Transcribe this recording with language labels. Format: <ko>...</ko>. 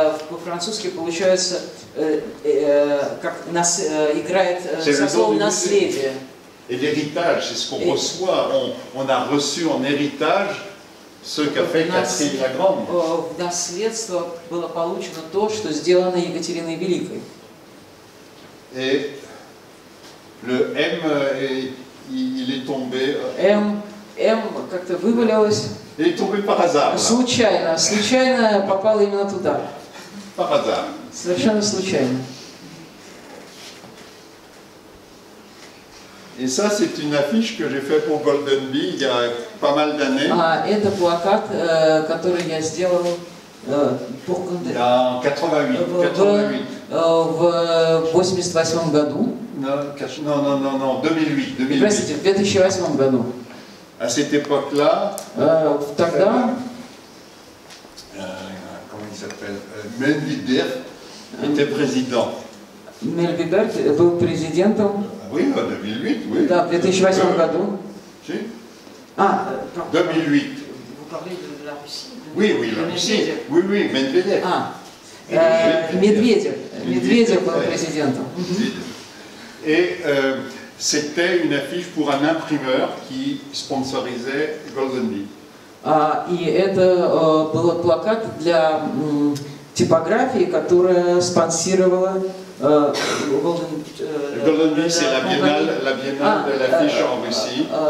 <ru>По-французски получается как нас играет со словом наследие.</ru> <fr>Et l'héritage, c'est ce qu'on reçoit. On a reçu en héritage. Ce qu'a fait Catherine la Grande.</fr> <ru>В наследство было получено то, что сделано Екатериной Великой.</ru> <fr>Et le M, il est tombé.</fr> <ru>M как-то вывалилось.</ru> <fr>Il est tombé par hasard.</fr> <ru>Случайно попало именно туда.</ru> <fr>Par hasard.</fr> <ru>Совершенно случайно.</ru> <fr>Et ça, c'est une affiche que j'ai faite pour Golden Bee il y a pas mal d'années.</fr> <ru>Это плакат, который я сделал</ru> <fr>pour Golden Bee. En 88.</fr> <ru>В 88 году.</ru> <fr>Non, 2008.</fr> <ru>Простите, в 2008 году.</ru> <fr>À cette époque-là.</fr> <ru>Тогда.</ru> <fr>Comment il s'appelle? Melvider était président.</fr> <ru>Melvider был президентом.</ru> <fr>Oui, en 2008, oui.</fr> <ru>Да, в 2008 году.</ru> <fr>Si. 2008. Vous parlez de la Russie. Oui, la Russie. Oui, Medvedev.</fr> <ru>Medvedev был президентом.</ru> <fr>Et c'était une affiche pour un imprimeur qui sponsorisait Golden Bee.</fr> <ru>И это был плакат для типографии, которая спонсировала.</ru> <fr>Golden Bee, c'est la biennale de l'affiche en Russie.</fr>